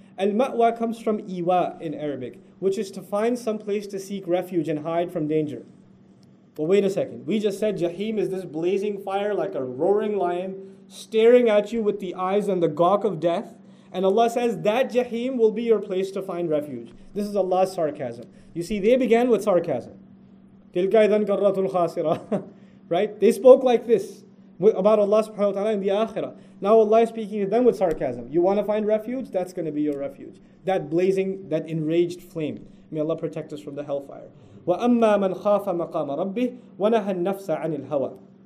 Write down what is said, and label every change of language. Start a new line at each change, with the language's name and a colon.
English: Al-Ma'wa comes from Iwa in Arabic, which is to find some place to seek refuge and hide from danger. But wait a second, we just said Jahim is this blazing fire like a roaring lion, staring at you with the eyes and the gawk of death. And Allah says that Jahim will be your place to find refuge. This is Allah's sarcasm. You see, they began with sarcasm.
Arabic: تِلْكَ إِذَنْ كَرَّةُ الْخَاسِرَةُ
English: Right? They spoke like this about Allah subhanahu wa ta'ala in the Akhirah. Now Allah is speaking to them with sarcasm. You want to find refuge? That's going to be your refuge. That blazing, that enraged flame. May Allah protect us from the hellfire.
Arabic: وَأَمَّا مَنْ خَافَ مَقَامَ رَبِّهِ وَنَهَا النَّفْسَ عَنِ الْهَوَى.